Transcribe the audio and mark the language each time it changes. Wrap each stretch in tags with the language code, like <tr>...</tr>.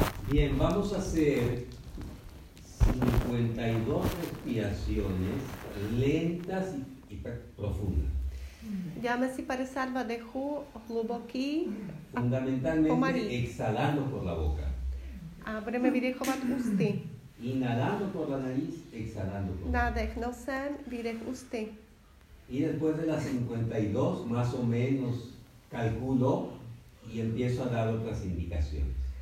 <es>Bien, vamos a hacer 52 respiraciones lentas y profundas.</es> <cs>Dáme si 52 dechů hluboký.</cs> <es>Fundamentalmente exhalando por la boca.</es> <cs>A budeme vydechovat ústy.</cs> <es>Inhalando por la nariz, exhalando por la boca.</es> <cs>Nádech nosem, výdech ústy.</cs> <es>Y después de las 52, más o menos, calculo y empiezo a dar otras indicaciones.</es>